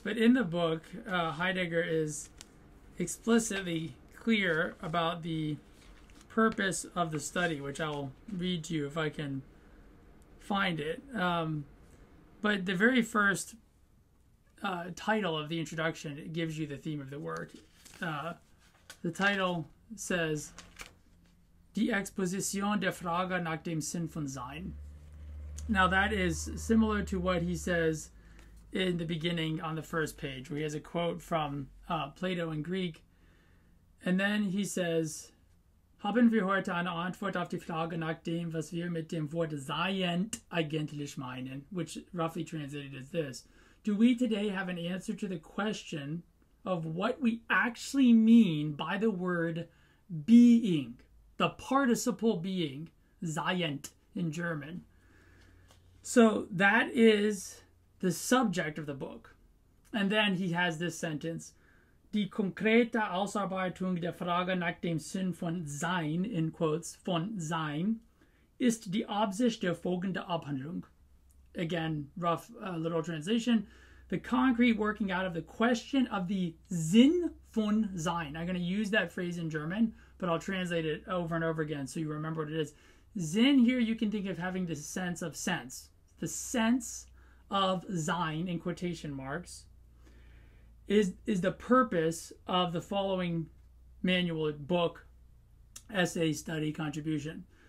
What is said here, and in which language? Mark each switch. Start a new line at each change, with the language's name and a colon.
English: But in the book, Heidegger is explicitly clear about the purpose of the study, which I'll read to you if I can find it. But the very first title of the introduction, it gives you the theme of the work. The title says,
German: Die Exposition der Frage nach dem Sinn von Sein.
English: Now that is similar to what he says in the beginning on the first page, where he has a quote from Plato in Greek. And then he says,
German: Haben wir heute eine Antwort auf die Frage nach dem, was wir mit dem Wort Sein eigentlich meinen,
English: which roughly translated is this. Do we today have an answer to the question of what we actually mean by the word being, the participle being, Sein in German? So that is the subject of the book. And then he has this sentence,
German: Die konkrete Ausarbeitung der Frage nach dem Sinn von Sein,
English: in quotes,
German: von Sein, ist die Absicht der folgenden Abhandlung.
English: Again, rough literal translation. The concrete working out of the question of the Sinn von Sein. I'm going to use that phrase in German, but I'll translate it over and over again so you remember what it is. Sinn here, you can think of having the sense of sense. The sense of Sein, in quotation marks, is the purpose of the following manual, book, essay, study, contribution.